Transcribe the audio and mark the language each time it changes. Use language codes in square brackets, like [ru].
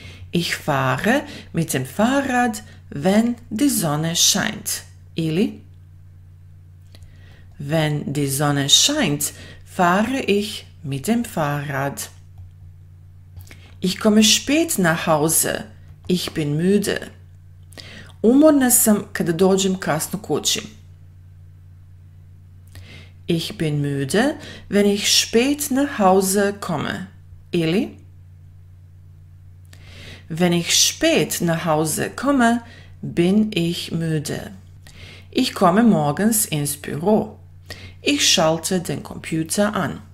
[de] Ich fahre mit dem Fahrrad, wenn die Sonne scheint. Ili Wenn die Sonne scheint, fahre ich mit dem Fahrrad. Ich komme spät nach Hause. Ich bin müde. [hr] Umorna sam kada dođem kasno kući. [de] Ich bin müde, wenn ich spät nach Hause komme. Ili? Wenn ich spät nach Hause komme, bin ich müde. Ich komme morgens ins Büro. Ich schalte den Computer an.